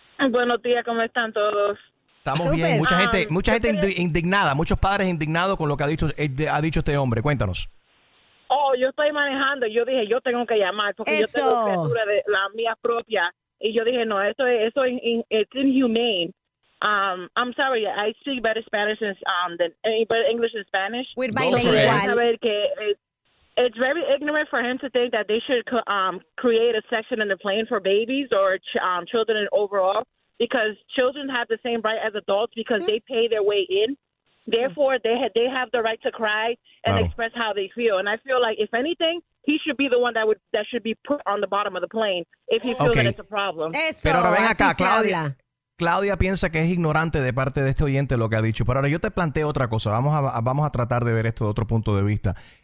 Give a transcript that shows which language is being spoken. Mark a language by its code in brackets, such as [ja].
[es] Buenos días, ¿cómo están todos? Estamos super bien, mucha gente indignada, muchos padres indignados con lo que ha dicho este hombre. Cuéntanos. Oh, yo estoy manejando y yo dije, yo tengo que llamar porque yo tengo criatura de la mía propia. Y yo dije, no, [en] it's inhumane. I'm sorry, I speak better Spanish than English and Spanish. We're bilingual. It's very ignorant for him to think that they should create a section in the plane for babies or children overall. Because children have the same right as adults because they pay their way in. Therefore, they have the right to cry and express how they feel. And I feel like, if anything, he should be the one that should be put on the bottom of the plane if he feels that it's a problem. [es] Eso, pero ahora ven acá, Claudia. Claudia piensa que es ignorante de parte de este oyente lo que ha dicho. Pero ahora yo te planteo otra cosa. Vamos a tratar de ver esto de otro punto de vista.